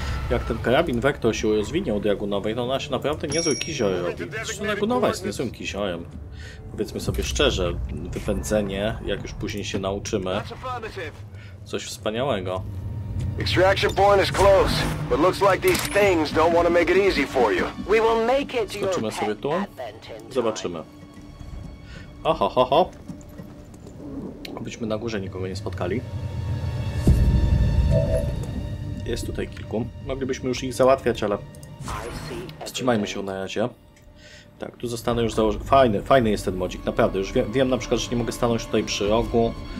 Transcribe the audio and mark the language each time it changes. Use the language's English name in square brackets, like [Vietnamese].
[Polish] Jak ten karabin Vector się rozwinie u Diagonowej, to ona się naprawdę niezły kizior robi. Zresztą Diagonowa jest niezłym kiziorem. Powiedzmy sobie szczerze, wypędzenie, jak już później się nauczymy, coś wspaniałego. [English] Extraction point is close, but looks like these things don't want to make it easy for you. We will make it your pet advent in time. [Polish] Zobaczymy. Oho, ho, ho. Obyśmy na górze nikogo nie spotkali. Jest tutaj kilku. Moglibyśmy już ich załatwiać, ale wstrzymajmy się na razie. Tak, tu zostanę już założony. Fajny jest ten modzik, naprawdę. Już wiem na przykład, że nie mogę stanąć tutaj przy rogu.